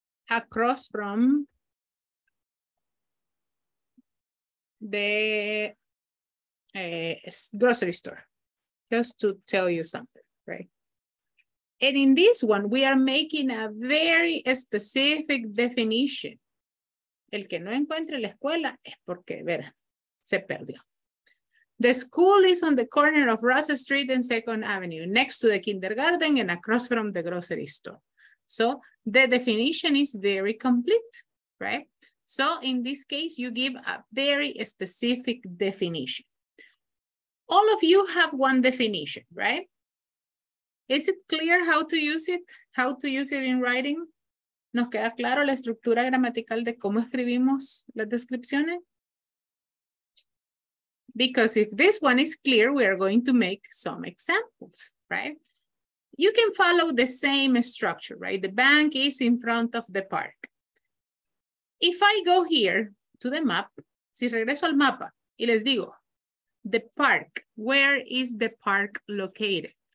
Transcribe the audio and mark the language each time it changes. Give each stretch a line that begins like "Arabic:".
English: across from the grocery store, just to tell you something, right? And in this one, we are making a very specific definition.
Spanish: El que no encuentre la escuela es porque, verá, se perdió.
English: The school is on the corner of Russ Street and 2nd Avenue, next to the kindergarten and across from the grocery store. So the definition is very complete, right? So in this case, you give a very specific definition. All of you have one definition, right? Is it clear how to use it? How to use it in writing?
Spanish: ¿Nos queda claro la estructura gramatical de cómo escribimos las descripciones?
English: Because if this one is clear, we are going to make some examples, right? You can follow the same structure, right? The bank is in front of the park. If I go here to the map,
Spanish: si regreso al mapa y les digo,
English: the park, where is the park located?